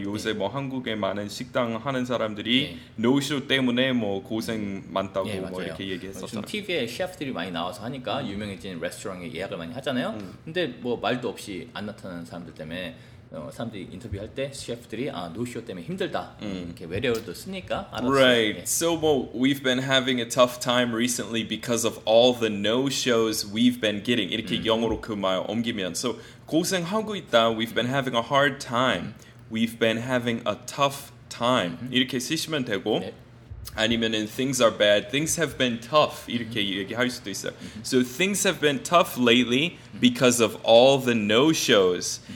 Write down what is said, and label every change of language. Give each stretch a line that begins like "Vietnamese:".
Korean: 요새 yeah. 뭐 한국에 많은 식당 하는 사람들이 yeah. no show 때문에 뭐 고생 많다고 yeah, 뭐 이렇게 얘기했었잖아요. 지금 TV에 셰프들이 많이 나와서 하니까 유명해진 레스토랑에 예약을 많이 하잖아요. 근데 뭐 말도 없이 안 나타난 사람들 때문에. 사람들이 인터뷰할 때 셰프들이 아 노쇼 때문에 힘들다 이렇게 외래어도 쓰니까 알았어요. Right. 예.
English: So well, we've been having a tough time recently because of all the no shows we've been getting.
Korean: 이렇게 영어로 그 말 옮기면 so 고생하고 있다.
English: We've been having a hard time. We've been having a tough time.
Korean: 이렇게 쓰시면 되고 네.
English: 아니면은 things are bad. Things have been tough.
Korean: 이렇게 얘기할 수도 있어요.
English: So things have been tough lately because of all the no shows.